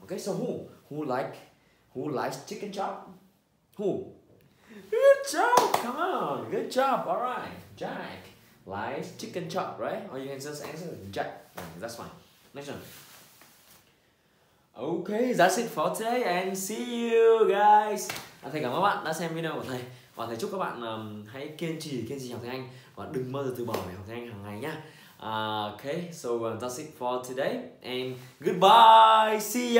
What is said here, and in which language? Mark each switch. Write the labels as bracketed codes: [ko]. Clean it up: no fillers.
[en] Okay, so who likes chicken chop? Who? Good job! Come on, good job. All right, Jack likes chicken chop, right? Or you can just answer Jack. That's fine. Next one. Okay, that's it for today, and see you guys. [vi] Thầy cảm ơn các bạn đã xem video của thầy. Và thầy chúc các bạn hãy kiên trì học tiếng Anh và đừng bao giờ từ bỏ học tiếng Anh hàng ngày nhá. [en] Okay, so that's it for today, and goodbye, see ya!